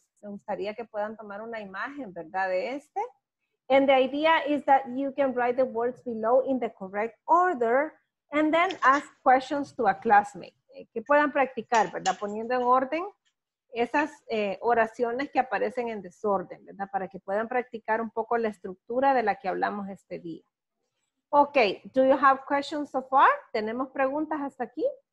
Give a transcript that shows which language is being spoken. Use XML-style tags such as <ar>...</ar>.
<es>Me gustaría que puedan tomar una imagen, ¿verdad? De este.</es> <en>And the idea is that you can write the words below in the correct order and then ask questions to a classmate.</en> <es>Que puedan practicar, ¿verdad? Poniendo en orden esas oraciones que aparecen en desorden, ¿verdad? Para que puedan practicar un poco la estructura de la que hablamos este día.</es> <en>Ok, do you have questions so far?</en> <es>¿Tenemos preguntas hasta aquí?</es>